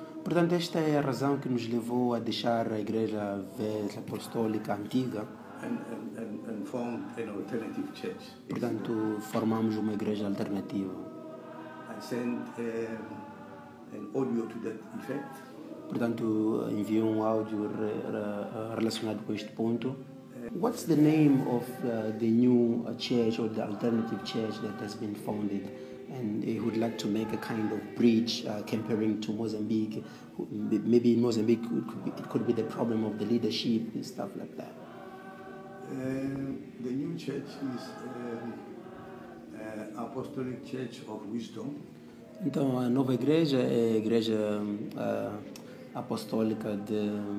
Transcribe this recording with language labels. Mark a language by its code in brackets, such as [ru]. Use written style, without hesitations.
[pt] Portanto, esta é a razão que nos levou a deixar a igreja velha apostólica antiga. [en] And formed an alternative church. [pt] Portanto, formamos uma igreja alternativa. [en] I sent an audio to that effect. [pt] Portanto, enviei um áudio relacionado com este ponto. [en] What's the name of the new church or the alternative church that has been founded? And he would like to make a kind of bridge comparing to Mozambique. Maybe in Mozambique it could be the problem of the leadership and stuff like that. The new church is Apostolic Church of Wisdom. [pt] Então a nova igreja é a igreja apostólica de